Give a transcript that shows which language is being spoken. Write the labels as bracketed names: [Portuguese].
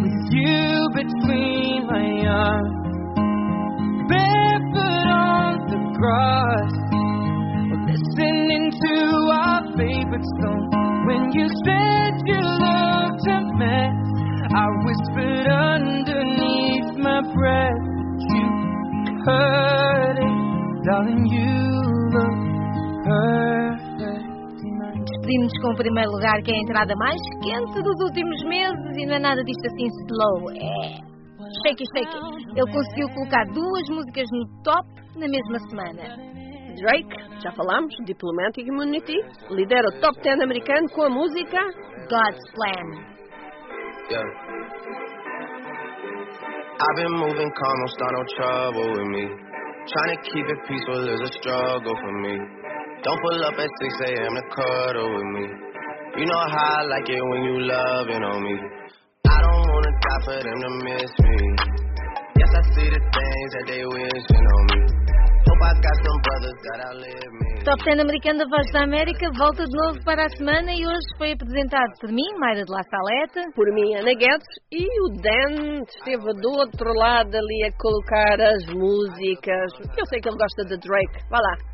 [English] You between my arms, barefoot on the grass, listening to our favorite song. When you said you looked a mess, I whispered underneath my breath, you heard it, darling, you look perfect. [Portuguese] Despedimos com o primeiro lugar, que é a entrada mais quente dos últimos meses, e não é nada disto assim slow, é shaky. Ele conseguiu colocar duas músicas no top na mesma semana. Drake, já falámos, Diplomatic Immunity, lidera o top 10 americano com a música God's Plan. Yeah. [English] I've been moving calm, don't start no trouble with me. Trying to keep it peaceful is a struggle for me. Don't pull up at 6 a.m. to cuddle with me. You know how I like it when you loving on me. I don't wanna die for them to miss me. Yes, I see the things that they wishing on me. Hope I got some brothers that outlive me. [Portuguese] Top 10 americano da Voz da América volta de novo para a semana e hoje foi apresentado por mim, Mayra de La Salette, por mim, Ana Guedes, e o Dan esteve do outro lado ali a colocar as músicas. Eu sei que ele gosta de Drake. Vá lá.